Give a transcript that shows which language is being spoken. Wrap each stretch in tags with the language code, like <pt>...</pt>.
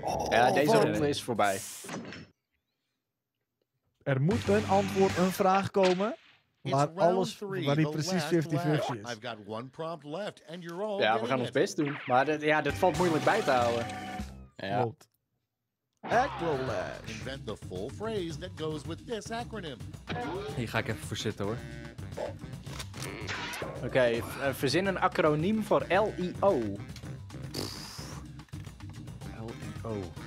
<nl>Ja, deze ronde is voorbij. Er moet een antwoord, een vraag komen. Maar alles waar die precies 50-50 is.</nl> <en>I've got one prompt left and you're all</en> <nl>ja, we gaan ons best doen. Maar dit valt moeilijk bij te houden. Ja. Klopt. Acrolash.</nl> <en>Invent the full phrase that goes with this acronym.</en> <nl>Hier ga ik even voor zitten, hoor. Oké, verzin een acroniem voor L-I-O. L-I-O.</nl>